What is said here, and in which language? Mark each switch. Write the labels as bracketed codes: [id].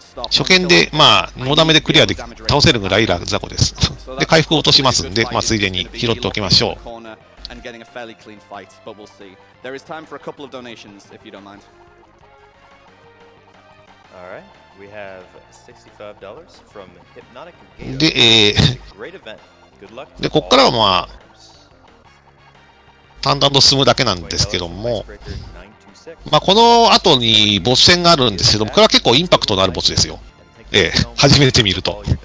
[ja] 初見で、まあ、ノーダメでクリアで倒せるぐらい雑魚です。で、回復を落としますんで、まあ、ついでに拾っておきましょう。 [en] And getting a fairly clean fight, but we'll see. There is time for a couple of donations, if you don't mind. All right, we have $65 from Hypnotic Gale. Great event. Good luck. [ja] で、ここからはまあ淡々と進むだけなんですけども、まあこの後にボス戦があるんですけども、これは結構インパクトのあるボスですよ。初めて見ると。